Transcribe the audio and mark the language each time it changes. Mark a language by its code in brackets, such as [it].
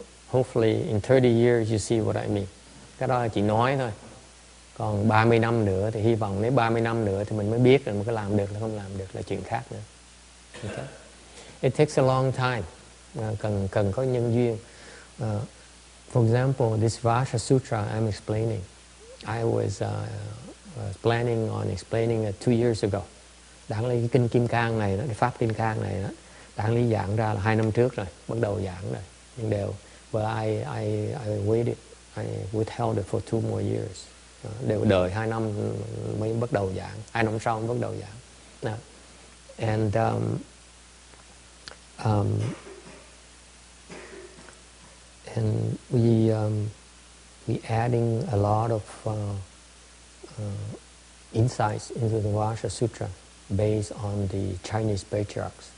[en] Hopefully in 30 years you see what I mean. [vi] Cái đó là chỉ nói thôi. Còn 30 năm nữa thì hy vọng nếu 30 năm nữa thì mình mới biết là mình có làm được hay không làm được là chuyện khác nữa. [en] Okay. It takes a long time. [vi] Cần có nhân duyên. [en] For example, this Vajra Sutra I'm explaining, I was planning on explaining it 2 years ago. [vi] Đáng lý kinh Kim Cang này đó, pháp Kim Cang này đó, đáng lý giảng ra là 2 năm trước rồi, bắt đầu giảng rồi. Nhưng đều [en] but I withheld it for 2 more years. [vi] Đều đợi 2 năm mới bắt đầu giảng, 2 năm sau mới bắt đầu giảng. [en] And and we adding a lot of insights into the Vajra Sutra based on the Chinese patriarchs.